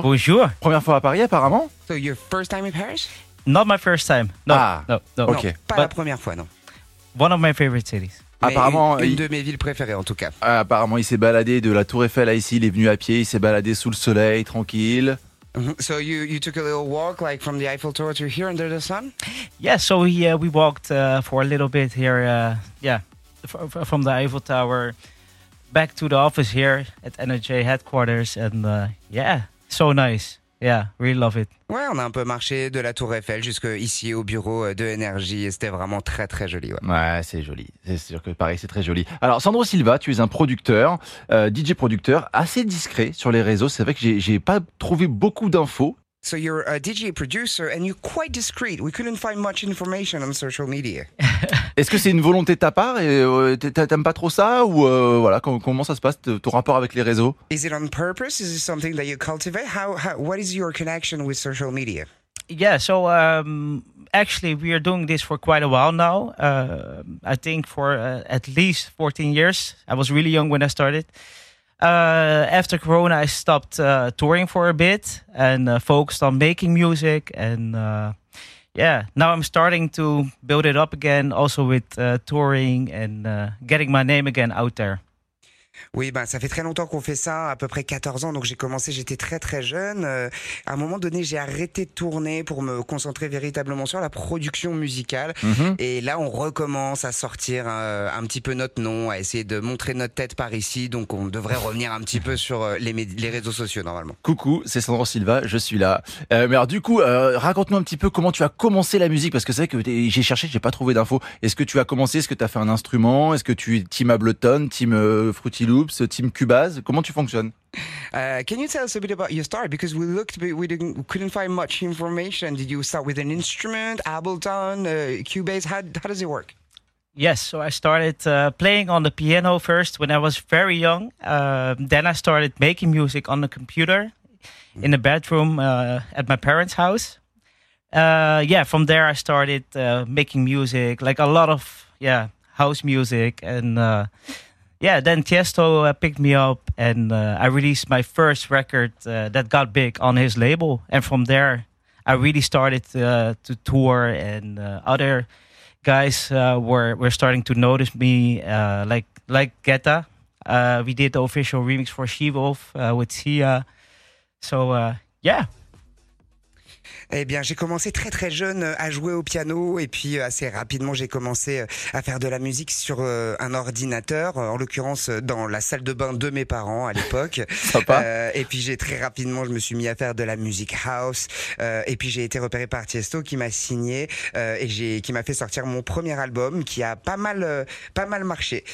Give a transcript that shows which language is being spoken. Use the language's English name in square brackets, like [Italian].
[French] Bonjour. Première fois à Paris apparemment. [English] So your first time in Paris? Not my first time. No, ah, no, no. Ok. [French] Non, pas la première fois, non. [English] One of my favorite cities. [French] Mais apparemment, une de mes villes préférées en tout cas. Apparemment, il s'est baladé de la Tour Eiffel à ici. Il est venu à pied. Il s'est baladé sous le soleil, tranquille. [English] So you took a little walk like from the Eiffel Tower to here under the sun? Yeah. So we walked for a little bit here. From the Eiffel Tower back to the office here at NRJ headquarters and so nice. Yeah, really love it. [French] Ouais, on a un peu marché de la Tour Eiffel jusque ici au bureau de Énergie et c'était vraiment très très joli. Ouais. Ouais, c'est joli. C'est sûr que Paris, c'est très joli. Alors, Sandro Silva, tu es un producteur, DJ producteur, assez discret sur les réseaux. C'est vrai que j'ai pas trouvé beaucoup d'infos. [English] So you're a DJ producer and you're quite discreet. We couldn't find much information on social media. [French] Est-ce que c'est une volonté de ta part et t'aimes pas trop ça ou voilà comment ça se passe ton rapport avec les réseaux? [English] Is it on purpose? Is it something that you cultivate? How what is your connection with social media? Yeah, so actually we are doing this for quite a while now. I think for at least 14 years. I was really young when I started. After Corona, I stopped touring for a bit and focused on making music. And now I'm starting to build it up again, also with touring and getting my name again out there. [French] Oui, ça fait très longtemps qu'on fait ça, à peu près 14 ans. Donc j'ai commencé, j'étais très très jeune. À un moment donné, j'ai arrêté de tourner pour me concentrer véritablement sur la production musicale. Mm-hmm. Et là, on recommence à sortir un petit peu notre nom, à essayer de montrer notre tête par ici. Donc on devrait revenir un petit peu sur les réseaux sociaux normalement. Coucou, c'est Sandro Silva, je suis là. Mais alors du coup, raconte-nous un petit peu comment tu as commencé la musique. Parce que c'est vrai que j'ai cherché, j'ai pas trouvé d'infos. Est-ce que tu as commencé? Est-ce que tu as fait un instrument? Est-ce que tu es team Ableton, team Fruity Loops, Team Cubase, comment tu fonctionnes? [English] Can you tell us a bit about your start? Because we couldn't find much information. Did you start with an instrument, Ableton, Cubase? How does it work? Yes, so I started playing on the piano first when I was very young. Then I started making music on the computer in the bedroom at my parents' house. From there I started making music, like a lot of house music and. Then Tiesto picked me up and I released my first record that got big on his label. And from there, I really started to tour and other guys were starting to notice me, like Guetta. We did the official remix for She-Wolf with Sia. So, [French] Eh bien, j'ai commencé très très jeune à jouer au piano et puis assez rapidement, j'ai commencé à faire de la musique sur un ordinateur, en l'occurrence dans la salle de bain de mes parents à l'époque. Sympa. Et puis j'ai très rapidement, je me suis mis à faire de la musique house et puis j'ai été repéré par Tiesto qui m'a signé qui m'a fait sortir mon premier album qui a pas mal marché.